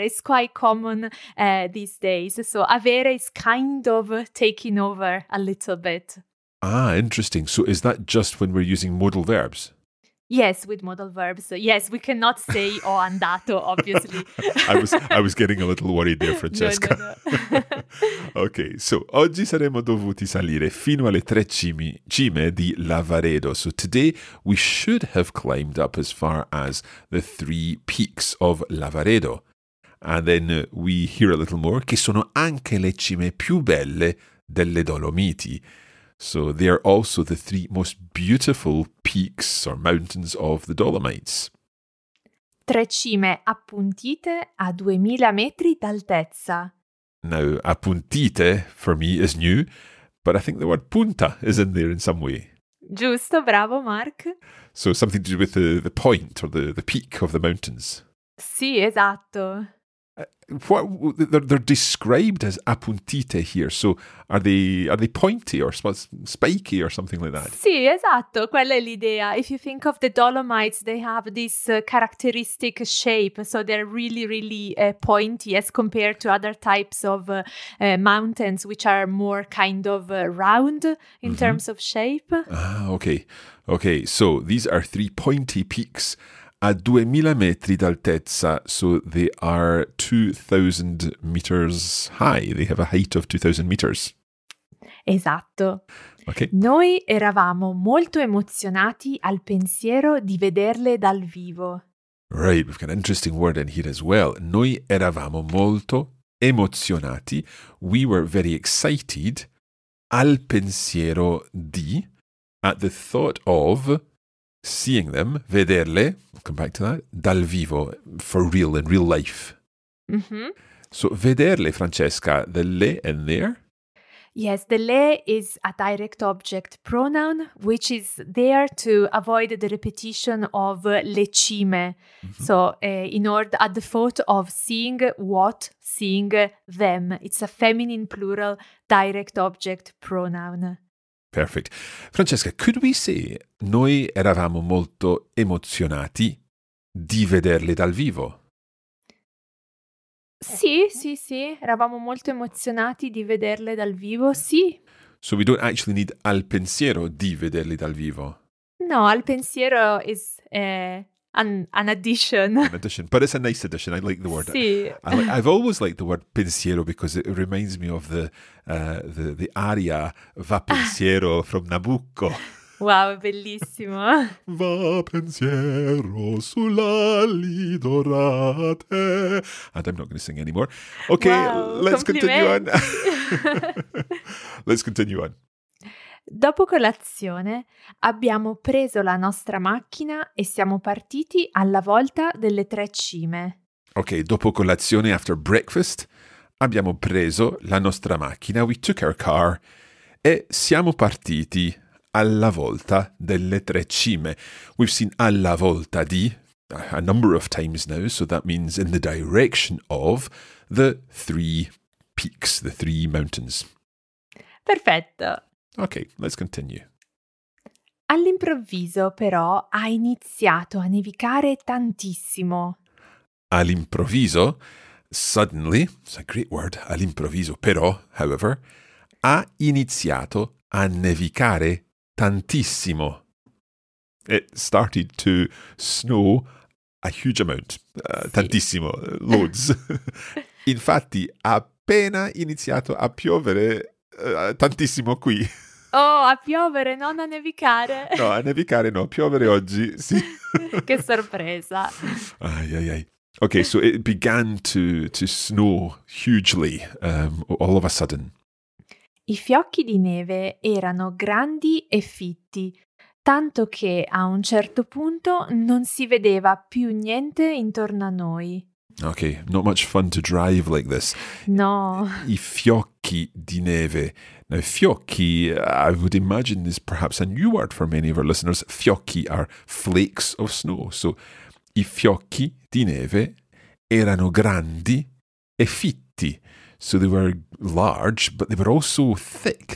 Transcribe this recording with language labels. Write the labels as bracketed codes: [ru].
[en] It's quite common these days. So avere is kind of taking over a little bit. Ah, interesting. So is that just when we're using modal verbs? Yes, with modal verbs. Yes, we cannot say [it] ho andato, [en] obviously. I was getting a little worried there, Francesca. No. [it] Okay, so oggi saremmo dovuti salire fino alle tre cime di Lavaredo. [en] So today we should have climbed up as far as the three peaks of Lavaredo. And then we hear a little more. [it] Che sono anche le cime più belle delle Dolomiti. [en] So they are also the three most beautiful peaks or mountains of the Dolomites. [it] Tre cime appuntite a 2000 metri d'altezza. [en] Now, appuntite for me is new, but I think the word punta is in there in some way. [it] Giusto, bravo Mark. [en] So something to do with the point or the peak of the mountains. [it] Sì, esatto. [en] What they're described as appuntite here, so are they pointy or spiky or something like that? [it] Sì, esatto, quella è l'idea. [en] If you think of the Dolomites, they have this characteristic shape, so they're really, really pointy as compared to other types of mountains, which are more kind of round in mm-hmm. terms of shape. Ah, okay, so these are three pointy peaks, [it] a 2000 metri d'altezza. [en] So they are 2000 meters high. They have a height of 2000 meters. [it] Esatto. [en] Okay. [it] Noi eravamo molto emozionati al pensiero di vederle dal vivo. [en] Right, we've got an interesting word in here as well. [it] Noi eravamo molto emozionati. [en] We were very excited [it] al pensiero di, [en] at the thought of seeing them, [it] vederle, [en] we'll come back to that, [it] dal vivo, [en] for real, in real life. Mm-hmm. So, vederle, Francesca, the le in there. Yes, the le is a direct object pronoun, which is there to avoid the repetition of le cime. Mm-hmm. So, in order, at the thought of seeing what, seeing them. It's a feminine plural direct object pronoun. Perfect. [it] Francesca, [en] could we say, [it] noi eravamo molto emozionati di vederle dal vivo? Sì, sì, sì, eravamo molto emozionati di vederle dal vivo, sì. [en] So we don't actually need al pensiero di vederle dal vivo. No, al pensiero is an addition. An addition, but it's a nice addition. I like the word. [it] Sì. [en] I've always liked the word pensiero because it reminds me of the aria Va pensiero from Nabucco. [it] Wow, bellissimo. Va pensiero sulla lidorate. [en] And I'm not going to sing anymore. Okay, wow, let's [it] complimenti. [en] Continue on. Let's continue on. [it] Dopo colazione abbiamo preso la nostra macchina e siamo partiti alla volta delle tre cime. Okay, dopo colazione, [en] after breakfast, [it] abbiamo preso la nostra macchina, [en] we took our car, [it] e siamo partiti alla volta delle tre cime. [en] We've seen [it] alla volta di [en] a number of times now, so that means in the direction of the three peaks, the three mountains. [it] Perfetto. [en] Ok, let's continue. [it] All'improvviso, però, ha iniziato a nevicare tantissimo. All'improvviso, [en] suddenly, it's a great word, [it] all'improvviso, però, [en] however, [it] ha iniziato a nevicare tantissimo. [en] It started to snow a huge amount, [it] sì. Tantissimo, [en] loads. [it] Infatti, ha appena iniziato a piovere tantissimo qui. Oh, a piovere, non a nevicare. No, a nevicare no, a piovere oggi, sì. Che sorpresa. Ai, ai, ai. [en] Ok, so it began to snow hugely, all of a sudden. [it] I fiocchi di neve erano grandi e fitti, tanto che a un certo punto non si vedeva più niente intorno a noi. [en] Ok, not much fun to drive like this. No. [it] I fiocchi di neve. [en] Now, fiocchi, I would imagine, is perhaps a new word for many of our listeners. Fiocchi are flakes of snow. [it] So, i fiocchi di neve erano grandi e fitti. [en] So, they were large, but they were also thick.